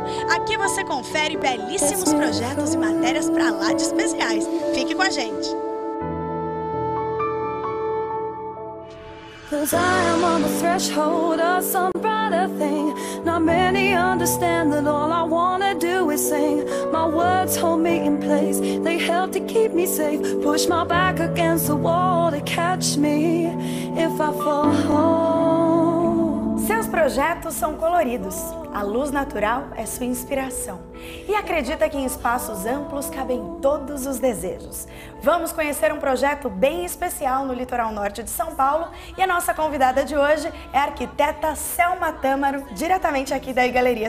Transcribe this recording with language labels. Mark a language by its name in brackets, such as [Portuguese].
[Portuguese] Aqui você confere belíssimos projetos e matérias para lá de especiais. Fique com a gente. [English] Cause I am on the threshold of some brighter thing. Not many understand that all I wanna do is sing. My words hold me in place, they help to keep me safe. Push my back against the wall to catch me if I fall home. [Portuguese] Seus projetos são coloridos, a luz natural é sua inspiração. E acredita que em espaços amplos cabem todos os desejos. Vamos conhecer um projeto bem especial no litoral norte de São Paulo e a nossa convidada de hoje é a arquiteta Selma Tâmaro, diretamente aqui da Igaleria.